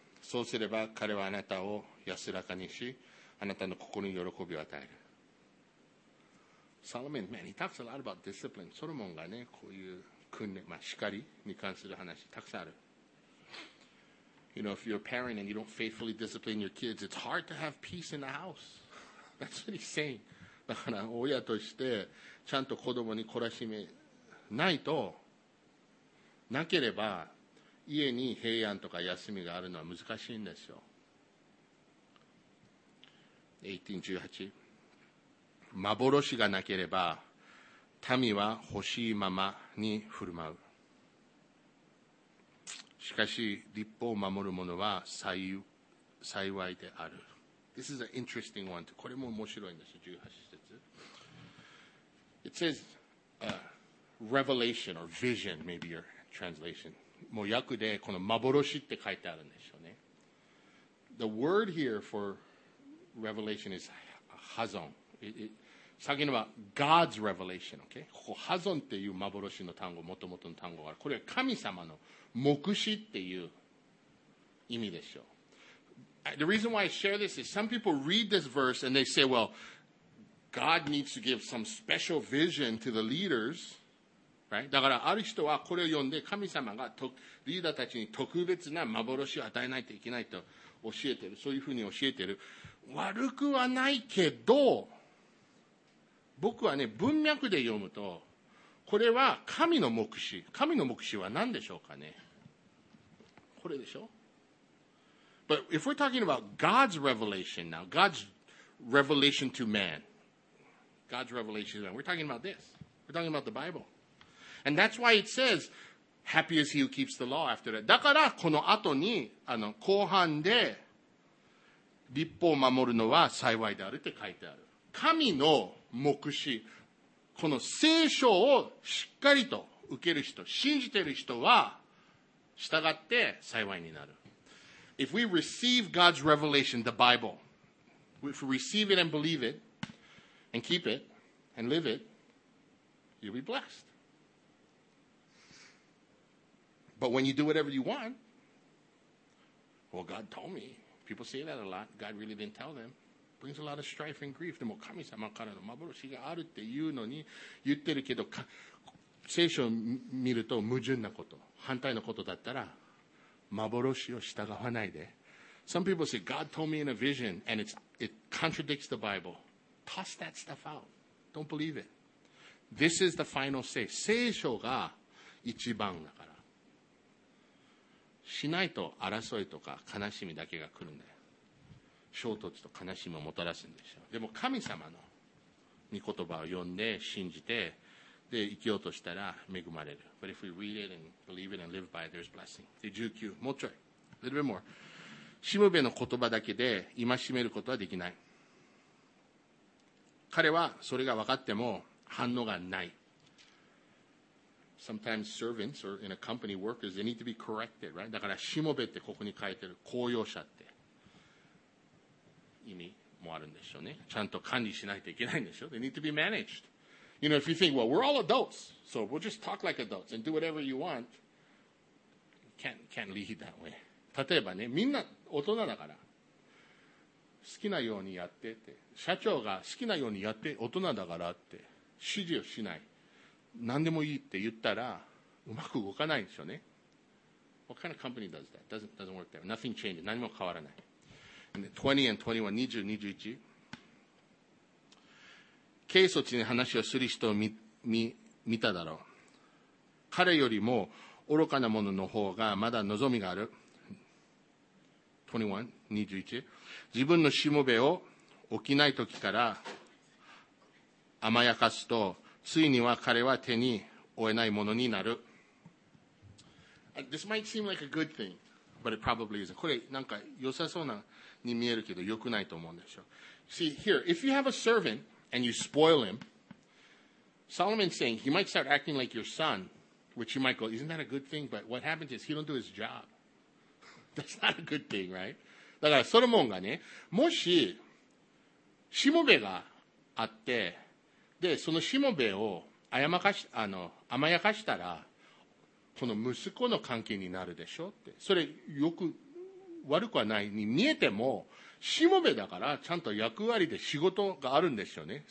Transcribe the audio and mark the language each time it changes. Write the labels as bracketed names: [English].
[Japanese] そうすれば彼はあなたを安らかにし、あなたの心に喜びを与える。 [English] Solomon, man, he talks a lot about discipline. [Japanese] ソロモンがね、こういう訓練、まあ、叱りに関する話たくさんある。 [English] You know, if you're a parent and you don't faithfully discipline your kids, it's hard to have peace in the house. That's what he's saying. [Japanese] だから親としてちゃんと子供に懲らしめないと、なければ家に平安とか休みがあるのは難しいんですよ。 18:18、幻がなければ民は欲しいままに振る舞う。しかし立法を守る者は幸いである。 [English] This is an interesting one. [Japanese] これも面白いんです。18節。 [English] It says revelation or vision, maybe your translation. [Japanese] もう訳でこの幻って書いてあるんでしょうね。 [English] The word here for revelation is hazon. [Japanese] さっきのは [English] God's revelation、okay? [Japanese] ここハゾンっていう幻の単語、もともとの単語がある。これは神様の目視っていう意味でしょう。 [English] The reason why I share this is some people read this verse and they say, well, God needs to give some special vision to the leaders, right? [Japanese] だからある人はこれを読んで神様がリーダーたちに特別な幻を与えないといけないと教えてる。そういうふうに教えてる。悪くはないけど、僕はね、文脈で読むと、これは神の目視。神の目視は何でしょうかね。これでしょ。 [English] But if we're talking about God's revelation now, God's revelation to man, God's revelation to man, we're talking about this. We're talking about the Bible. And that's why it says, happy is he who keeps the law after that. [Japanese] だからこの後に、あの、後半で、律法を守るのは幸いであるって書いてある。神の黙示、この聖書をしっかりと受ける人、信じている人は、従って幸いになる。 [English] If we receive God's revelation, the Bible, if we receive it and believe it, and keep it, and live it, you'll be blessed. But when you do whatever you want, well, God told me. People say that a lot. God really didn't tell them. Brings a lot of strife and grief. [Japanese] でも神様からの幻があるっていうのに言ってるけど、聖書を見ると矛盾なこと、反対のことだったら、幻を従わないで。 [English] Some people say, God told me in a vision, and it contradicts the Bible. Toss that stuff out. Don't believe it. This is the final say. [Japanese] 聖書が一番だから。しないと争いとか悲しみだけが来るんだよ。衝突と悲しみをもたらすんでしょ。でも神様の御言葉を読んで信じてで生きようとしたら恵まれる。 [English] But if we read it and believe it and live by it, there's blessing. 19、 [Japanese] もうちょい。 [English] A little bit more. [Japanese] しもべの言葉だけで戒めることはできない。彼はそれが分かっても反応がない。 [English] Sometimes servants or in a company workers, they need to be corrected, right? [Japanese] だからしもべってここに書いてる、公用者って意味もあるんでしょうね。ちゃんと管理しないといけないんでしょう。 [English] They need to be managed. You know, if you think, well, we're all adults, so we'll just talk like adults and do whatever you want, can't lead that way. [Japanese] 例えばね、みんな大人だから、好きなようにやってって、社長が好きなようにやって大人だからって指示をしない。何でもいいって言ったらうまく動かないんでしょうね。 [English] What kind of company does that? Doesn't work there. Nothing changes. [Japanese] 何も変わらない。 [English] And 20 and 21, 20, 21. [Japanese] 軽率に話をする人を 見ただろう。彼よりも愚かな者の方がまだ望みがある。 21, 21. 自分のしもべを起きない時から甘やかすと、ついには彼は手に負えないものになる。 [English] This might seem like a good thing, but it probably isn't. [Japanese] これなんか良さそうなに見えるけど良くないと思うんでしょう。 [English] See, here, if you have a servant and you spoil him, Solomon's saying he might start acting like your son, which you might go, isn't that a good thing? But what happens is he don't do his job. That's not a good thing, right? [Japanese] だからソロモンがね、もし、しもべがあって、でそのしもべを甘やかしたらこの息子の関係になるでしょって、それよく悪くはないに見えても、しもべだからちゃんと役割で仕事があるんですよね。